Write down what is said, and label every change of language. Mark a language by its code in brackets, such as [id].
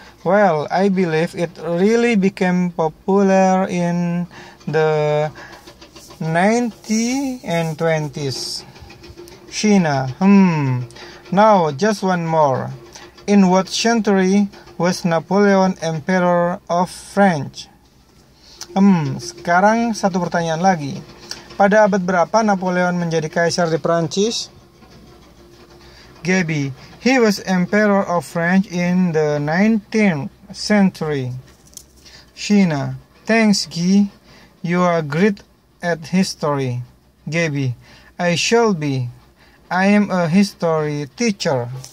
[en] Well, I believe it really became popular in the 90s and 20s. Sheena, now just one more. In what century was Napoleon Emperor of France? [id] Sekarang satu pertanyaan lagi. Pada abad berapa Napoleon menjadi kaisar di Prancis? [en] Gabby, he was Emperor of France in the 19th century. Sheena, thanks, Guy. You are great at history. Gabby, I shall be. I am a history teacher.